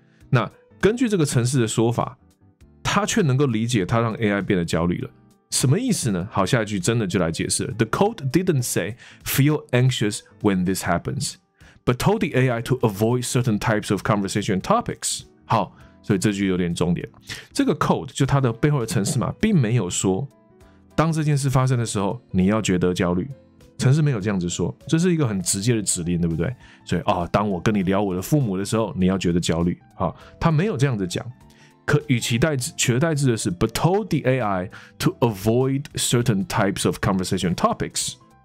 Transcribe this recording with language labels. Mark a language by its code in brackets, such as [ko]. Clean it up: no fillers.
[zh] 那根据这个程式的说法，他却能够理解他让 AI 变得焦虑了，什么意思呢？好，下一句真的就来解释了。 [en] The code didn't say feel anxious when this happens but told the AI to avoid certain types of conversation topics。 [zh] 好，所以这句有点重点，这个 code 就他的背后的程式嘛，并没有说当这件事发生的时候你要觉得焦虑，程式没有这样子说，这是一个很直接的指令，对不对？所以、哦、当我跟你聊我的父母的时候你要觉得焦虑、哦、他没有这样子讲，可与其代之取而代之的是 [en] but told the AI to avoid certain types of conversation topics。